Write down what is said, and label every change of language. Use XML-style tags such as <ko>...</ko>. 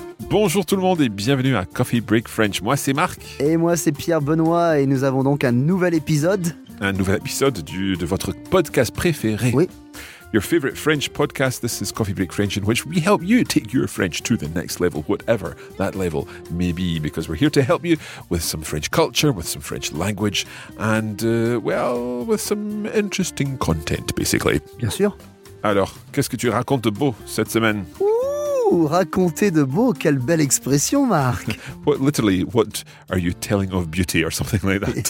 <fr>Bonjour tout le monde et bienvenue à Coffee Break French. Moi c'est Marc. Et moi c'est Pierre-Benoît et nous avons donc un nouvel épisode. Un nouvel épisode de votre podcast préféré. Oui.</fr> <en>Your favorite French podcast, this is Coffee Break French, in which we help you take your French to the next level, whatever that level may be, because we're here to help you with some French culture, with some French language, and, well, with some interesting content, basically.</en> <fr>Bien sûr. Alors, qu'est-ce que tu racontes de beau cette semaine? Raconter de beau, quelle belle expression, Marc.</fr> <en>What, literally, what are you telling of beauty or something like that?</en>